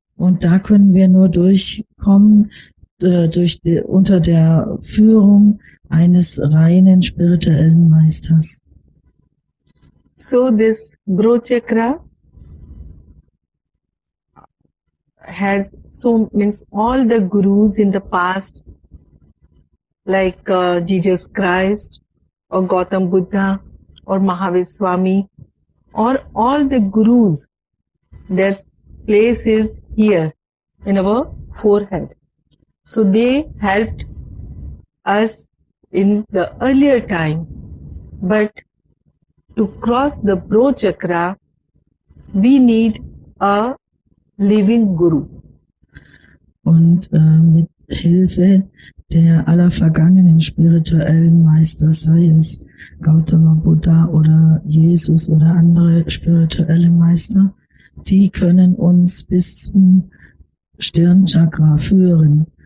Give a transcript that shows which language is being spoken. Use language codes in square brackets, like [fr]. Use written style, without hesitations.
[de] Und da können wir nur durchkommen, unter der Führung eines reinen spirituellen Meisters. [en] So this Brochakra has, so means all the gurus in the past, like Jesus Christ or Gautam Buddha or Mahavir Swami, or all the gurus, their place is here in our forehead. So they helped us in the earlier time, but to cross the Brochakra, we need a living Guru. [de] Und mit Hilfe der aller vergangenen spirituellen Meister, sei es Gautama Buddha oder Jesus oder andere spirituelle Meister, die können uns bis zum Stirnchakra führen.